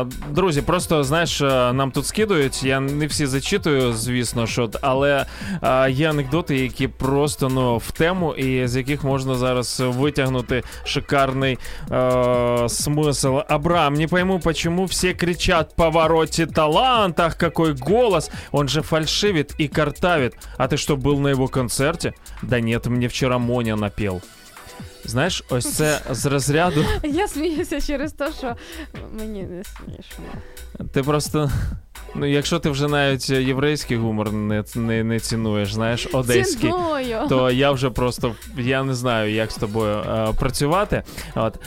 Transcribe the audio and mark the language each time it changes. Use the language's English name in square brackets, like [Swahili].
[Ukrainian] Друзі, просто, знаєш, нам тут скидують, я не всі зачитую, звісно, що, але є анекдоти, які просто, ну, в тему, і з яких можна зараз витягнути шикарний смисл. [Russian] Абрам, не пойму, почему все кричат повороті талантах, какой голос, он же фальшивит и картавит. [Ukrainian] А ти що, був на його концерті? [Russian] Да нет, мне вчера Моня напел. [Ukrainian] Знаєш, ось це з розряду... Я сміюся через те, що мені не смішно. Ти просто... Ну, якщо ти вже навіть єврейський гумор не цінуєш, знаєш, одеський, ціною, то я вже просто, я не знаю, як з тобою працювати. От.